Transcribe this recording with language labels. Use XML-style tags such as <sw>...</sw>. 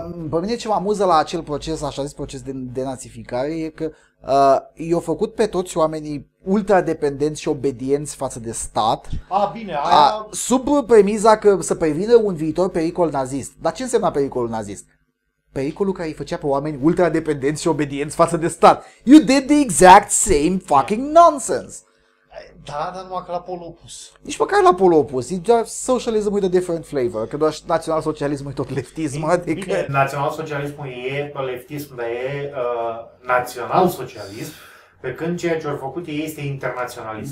<ro>Pe mine ce mă amuză la acel proces, așa zis proces de denazificare, e că i-au făcut pe toți oamenii ultra-dependenți și obedienți față de stat. Sub premiza că să prevină un viitor pericol nazist. Dar ce însemna pericolul nazist? Pericolul care îi făcea pe oameni ultra-dependenți și obedienți față de stat.</ro> <en>You did the exact same fucking nonsense.</en> <ro>Da, dar numai că la polul opus. Nici măcar la polul opus. E doar</ro> <en>socialism with a different flavor.</en> <ro>Că doar național-socialismul e tot leftism. Adică... Bine, național-socialismul e leftism, dar e național-socialism. Pe când ceea ce au făcut ei este internaționalism.</ro>